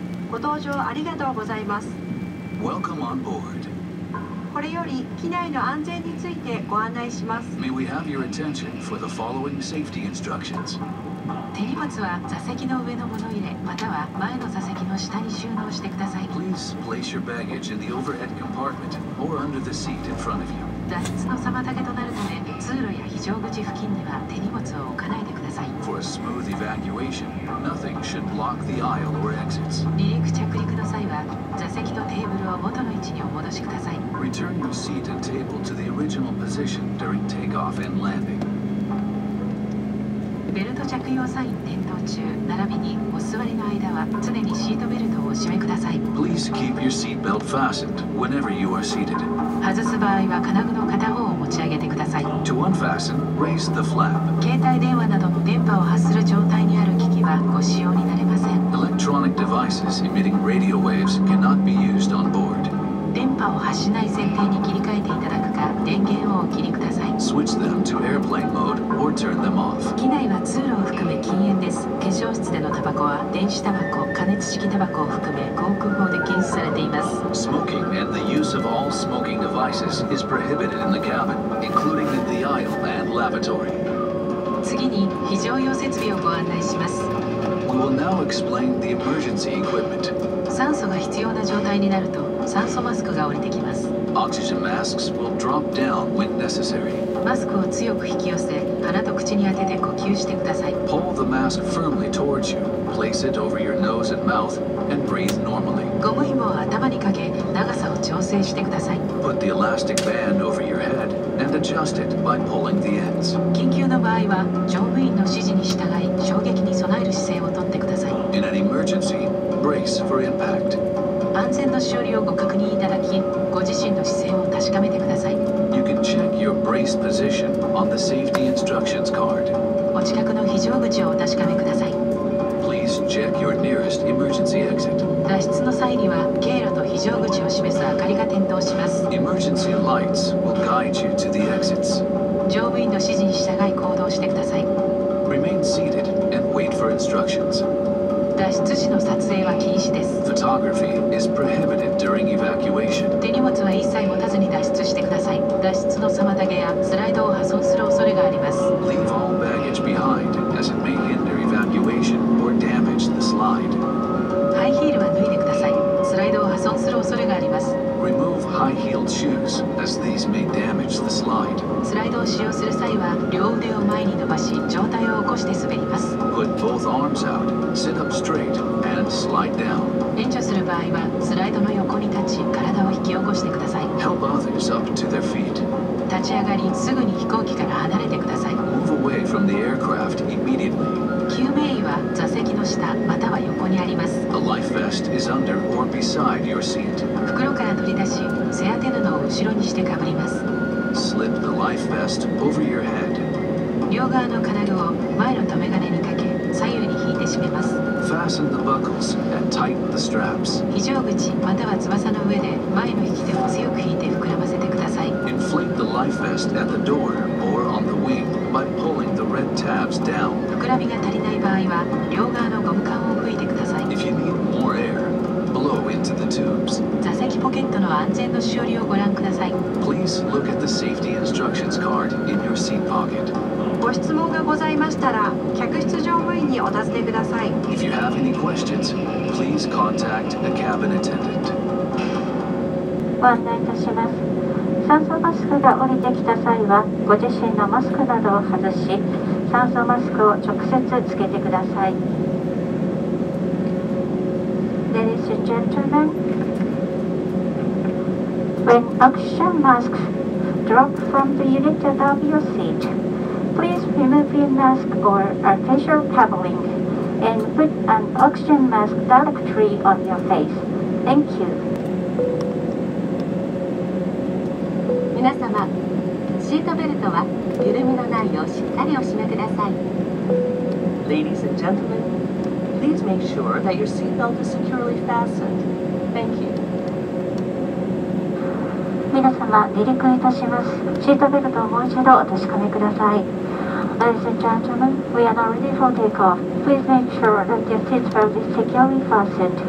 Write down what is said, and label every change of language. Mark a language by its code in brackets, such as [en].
[ja] ご搭乗ありがとうございます。 [en] Welcome on board. [ja] これより機内の安全についてご案内します。 [en] May we have your attention for the following safety instructions. [ja] 手荷物は座席の上のもの入れ、または前の座席の下に収納してください。 [en] Please place your baggage in the overhead compartment or under the seat in front of you. [ja] 脱出の妨げとなるため、通路や非常口付近には手荷物を置かないでください。 [en] For a smooth evacuation, nothing should block the aisle or exits. [ja] 離陸着陸の際は、座席とテーブルを元の位置にお戻しください。 [en] Return your seat and table to the original position during takeoff and landing. [ja] ベルト着用サイン点灯中、並びにお座りの間は常にシートベルトをお締めください。 [en] Please keep your seat belt fastened whenever you are seated. [ja] 外す場合は金具の片方を持ち上げてください。 [en] To unfasten, raise the flap. [ja] 携帯電話などの電波を発する状態にある機器はご使用になれません。 [en] Electronic devices emitting radio waves cannot be used on board. [ja] 電波を発しない設定に切り替えていただくか、電源をお切りください。 [en] Switch them to airplane mode or turn them off. [ja] 機内は通路を含め禁煙です。化粧室でのタバコは電子タバコ、加熱式タバコを含め航空法で禁止されています。 [en] Smoking and the use of all smoking devices is prohibited in the cabin, including in the aisle and lavatory. [ja] 次に非常用設備をご案内します。 [en] We will now explain the emergency equipment. [ja] 酸素が必要な状態になると、酸素マスクが降りてきます。 [en] Oxygen masks will drop down when necessary. [ja] マスクを強く引き寄せ、鼻と口に当てて呼吸してください。 [en] Pull the mask firmly towards you. Place it over your nose and mouth and breathe normally. [ja] ゴム紐を頭にかけ、長さを調整してください。 [en] Put the elastic band over your head and adjust it by pulling the ends. [ja] 緊急の場合は、乗務員の指示に従い、衝撃に備える姿勢をとってください。 [en] In an emergency, brace for impact. [ja] 安全のしおりをご確認いただき、ご自身の姿勢を確かめてください。 [en] You can check your brace position on the safety instructions card. [ja] お近くの非常口をお確かめください。 [en] Please check your nearest emergency exit. [ja] 脱出の際には、経路と非常口を示す明かりが点灯します。 [en] Emergency lights will guide you to the exits. [ja] 乗務員の指示に従い行動してください。 [en] Remain seated and wait for instructions. [ja] 脱出時の撮影は禁止です。 [en] Photography is prohibited during evacuation. [ja] 手荷物は一切持たずに脱出してください。脱出の妨げやスライドを破損する恐れがあります。 [en] Leave all baggage behind, as it may hinder evacuation or damage the slide. [ja] ハイヒールは脱いでください。スライドを破損する恐れがあります。 [en] Remove high-heeled shoes, as these may damage the slide. [ja] スライドを使用する際は、両腕を前に伸ばし、上体を起こして滑ります。 [en] Put both arms out, sit up straight, and slide down. [ja] 援助する場合は、スライドの横に立ち、体を引き起こしてください。 [en] Help others up to their feet. [ja] 立ち上がり、すぐに飛行機から離れてください。 [en] Move away from the aircraft immediately. [ja] 救命衣は座席の下または横にあります。 [en] A life vest is under or beside your seat. [ja] 袋から取り出し、背当て布を後ろにしてかぶります。 [en] Slip the life vest over your head. [ja] 両側の金具を前の留め金にかけ、左右に引いて締めます。 [en] Fasten the buckles and tighten the straps. [ja] 非常口または翼の上で前の引き手を強く引いて膨らませてください。 [en] Inflate the life vest at the door or on the wing. By pulling the red tabs down. [ja] 膨らみが足りない場合は、両側のゴム管を吹いてください。 [en] If you need more air, blow into the tubes. [ja] 座席ポケットの安全のしおりをご覧ください。 [en] Please look at the safety instructions card in your seat pocket. [ja] ご質問がございましたら、客室乗務員にお尋ねください。 [en] If you have any questions, please contact a cabin attendant. [ja] ご案内いたします。酸素マスクが降りてきた際は、ご自身のマスクなどを外し、酸素マスクを直接つけてください。 [en] Ladies and gentlemen, when oxygen masks drop from the unit above your seat, please remove your mask or facial covering and put an oxygen mask directly on your face. Thank you. [ja] 皆様、シートベルトは緩みのないようしっかりお締めください。 [en] Ladies and gentlemen, please make sure that your seatbelt is securely fastened. Thank you. [ja] 皆様、離陸いたします。シートベルトをもう一度お確かめください。 [en] Ladies and gentlemen, we are now ready for takeoff. Please make sure that your seatbelt is securely fastened.